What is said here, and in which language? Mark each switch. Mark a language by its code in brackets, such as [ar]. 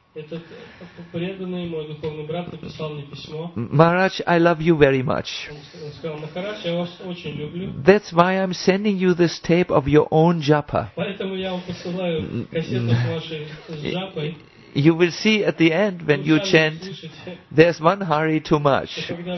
[ru] Этот преданный мой духовный брат написал мне письмо. [en] Maharaj, I love you very much. [ru] Он сказал, Maharaj, я вас очень люблю. [en] That's why I'm sending you this tape of your own japa. [ru] Поэтому я вам посылаю кассету вашей джапой. [en] You will see at the end when you chant, there's one hari too much.